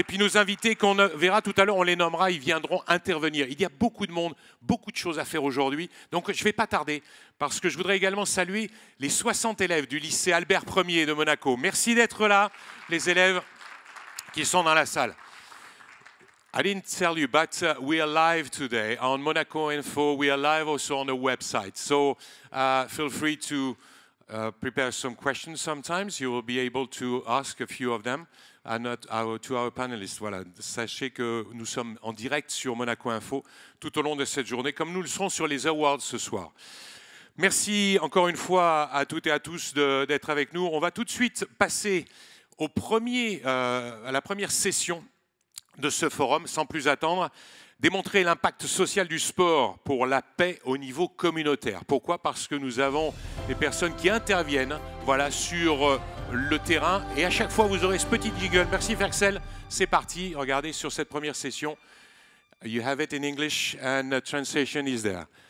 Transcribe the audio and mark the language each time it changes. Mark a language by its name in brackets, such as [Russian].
[French] Et puis nos invités qu'on verra tout à l'heure, on les nommera, ils viendront intervenir. Il y a beaucoup de monde, beaucoup de choses à faire aujourd'hui. Donc je ne vais pas tarder, parce que je voudrais également saluer les 60 élèves du lycée Albert Ier de Monaco. Merci d'être là, les élèves qui sont dans la salle. [English] I didn't tell you, but we are live today on Monaco Info. We are live also on the website. So feel free to prepare some questions sometimes. You will be able to ask a few of them and to our panelists. [French] Voilà. Sachez que nous sommes en direct sur Monaco Info tout au long de cette journée, comme nous le serons sur les awards ce soir. Merci encore une fois à toutes et à tous d'être avec nous. On va tout de suite passer à la première session de ce forum, sans plus attendre, démontrer l'impact social du sport pour la paix au niveau communautaire. Pourquoi ? Parce que nous avons des personnes qui interviennent voilà, sur le terrain. Et à chaque fois, vous aurez ce petit jingle. Merci, Ferxel. C'est parti. Regardez sur cette première session. [English] You have it in English and the translation is there.